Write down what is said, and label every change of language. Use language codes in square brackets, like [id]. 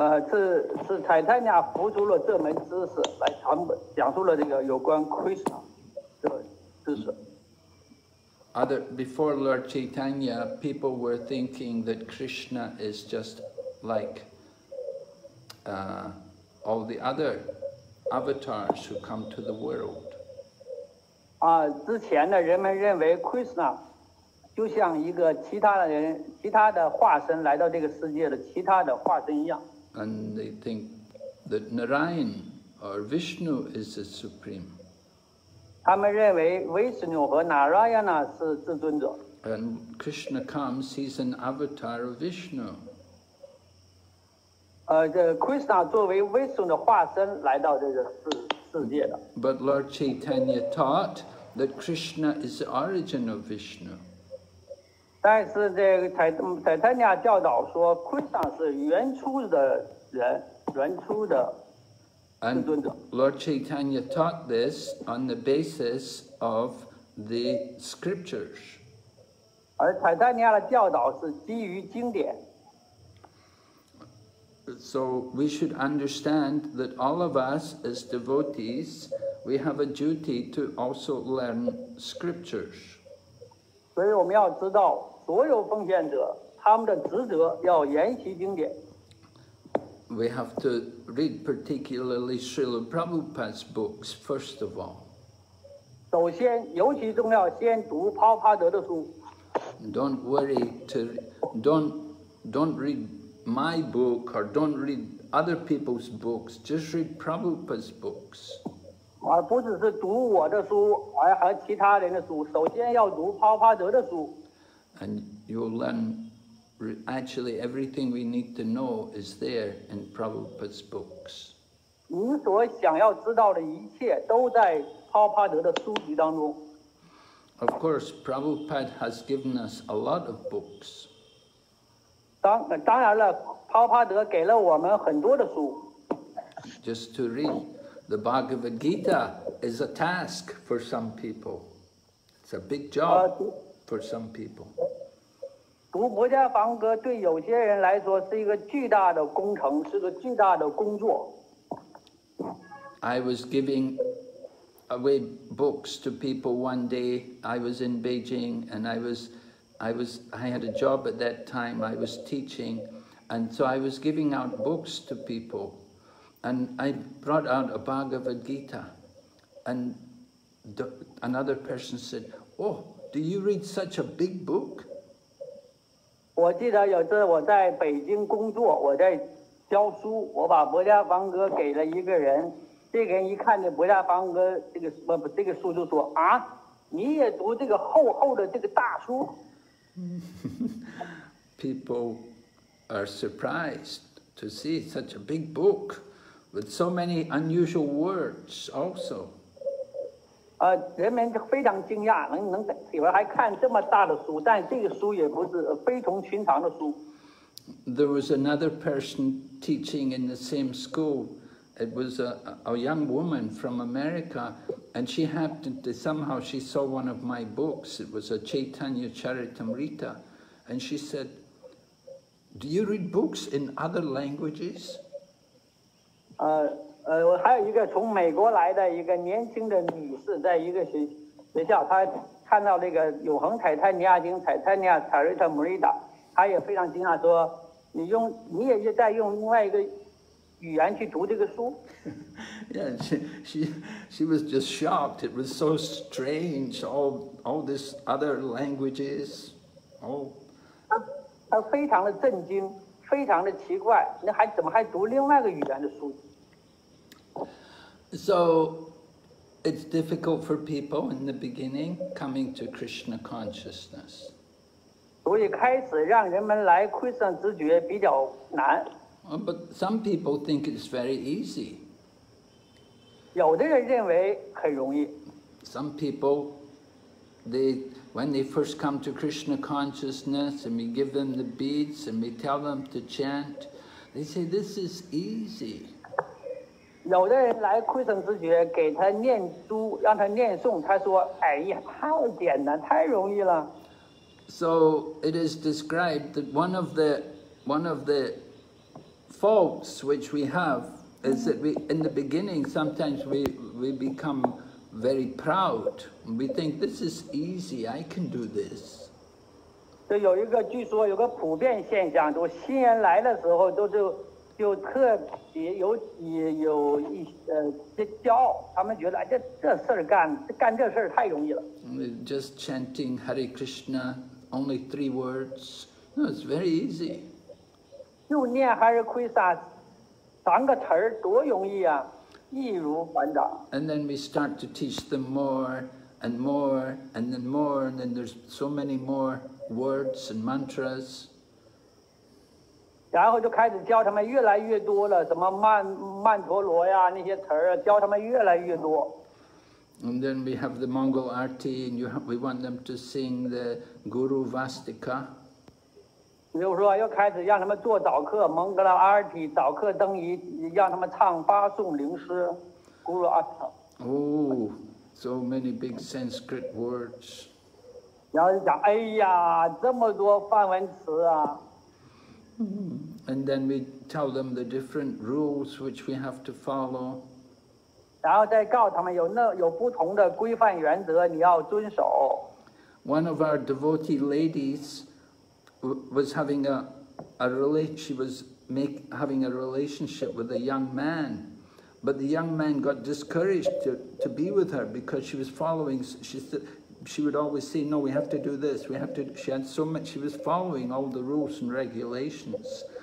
[zh] 是彩檀那扶助了这门知识，来传讲述了这个有关 Krishna 的知识。 [en] Before Lord Chaitanya, people were thinking that Krishna is just like all the other avatars who come to the world. [zh] 之前的人们认为 Krishna 就像一个其他的人，其他的化身来到这个世界的其他的化身一样。 [en] And they think that Narayan or Vishnu is the supreme. [zh] 他们认为维斯纽和纳拉亚纳是至尊者。 [en] And Krishna comes, he's an avatar of Vishnu. [zh] 这 Krishna 作为维斯纽的化身来到这个世界的。 [en] But Lord Chaitanya taught that Krishna is the origin of Vishnu. [zh] 但是这个彩檀那教导说 ，Krishna 是原初的人，原初的。 [en] And Lord Chaitanya taught this on the basis of the scriptures. [zh] 而彩檀那的教导是基于经典。 [en] So we should understand that all of us as devotees, we have a duty to also learn scriptures. [zh] 所以我们要知道，所有奉献者他们的职责要研习经典。 [en] We have to read particularly Srila Prabhupada's books, first of all. [zh] 首先，尤其重要，先读帕帕德的书。 [en] Don't worry to, don't read my book or don't read other people's books. Just read Prabhupada's books. [zh] 而不只是读我的书，而其他人的书。首先要读帕帕德的书。 [en] And you'll learn. Actually, everything we need to know is there in Prabhupada's books. [zh] 您所想要知道的一切都在帕帕德的书籍当中。 [en] Of course, Prabhupada has given us a lot of books. [zh] 当然了，帕帕德给了我们很多的书。 [en] Just to read the Bhagavad Gita is a task for some people. It's a big job for some people. [zh] 读《摩迦梵歌》对有些人来说是一个巨大的工程，是个巨大的工作。 [en] I was giving away books to people one day. I was in Beijing, and I had a job at that time. I was teaching, and so I was giving out books to people, and I brought out a Bhagavad Gita, and another person said, "Oh, do you read such a big book?" [zh] 我记得有次我在北京工作，我在教书，我把《摩迦梵歌》给了一个人，这个人一看这《摩迦梵歌》这个书，就说啊，你也读这个厚厚的这个大书。 [en] People are surprised to see such a big book with so many unusual words, also. [zh] 人们非常惊讶，能里边还看这么大的书，但这个书也不是非同寻常的书。 [en] There was another person teaching in the same school. It was a young woman from America, and she happened to somehow she saw one of my books. It was a Chaitanya Charitamrita, and she said, "Do you read books in other languages?" [zh] 我还有一个从美国来的一个年轻的女士，在一个学校，她看到那个《永恒彩檀尼亚经》彩檀尼亚查瑞塔穆瑞达，她也非常惊讶，说：“你也在用另外一个语言去读这个书。” [en] Yeah, she was just shocked. It was so strange. All these other languages. Oh. [zh] 她非常的震惊，非常的奇怪，那还怎么还读另外一个语言的书？ [en] So, it's difficult for people in the beginning coming to Krishna consciousness. [zh] 所以开始让人们来 Krishna 知觉比较难。 [en] But some people think it's very easy. [zh] 有的人认为很容易。 [en] Some people, they when they first come to Krishna consciousness and we give them the beads and we tell them to chant, they say, this is easy. [zh] 有的人来窥圣之觉，给他念珠，让他念诵，他说：“哎呀，太简单，太容易了。” [en] So it is described that one of the faults which we have is that we in the beginning sometimes we become very proud. We think this is easy. I can do this. [zh] 这有一个据说有个普遍现象，就新人来的时候都是。就特别有一些骄傲，他们觉得哎，这事儿干这事儿太容易了。 [en] Just chanting Hare Krishna, only three words, no, it's very easy. [zh] 就念 Hare Krishna, 三个词儿多容易啊，易如反掌。 [en] And then we start to teach them more and more and then more, and then there's so many more words and mantras. [zh] 然后就开始教他们越来越多了，什么曼陀罗呀那些词儿，教他们越来越多。 [en] And then we have the Mangal Arti, and we want them to sing the Guru Vastika. [zh] 比如说，又开始让他们做早课，蒙格拉阿尔提，早课灯仪，让他们唱八颂灵诗 ，Guru Vastika. [en] Oh, so many big Sanskrit words. [zh] 然后就讲，哎呀，这么多梵文词啊。 [en] And then we tell them the different rules which we have to follow. [zh] 然后再告诉他们有不同的规范原则你要遵守。 [en] One of our devotee ladies was having a relationship with a young man, but the young man got discouraged to be with her because she was following. She would always say, no, we have to do this, we have to, she had so much, she was following all the rules and regulations.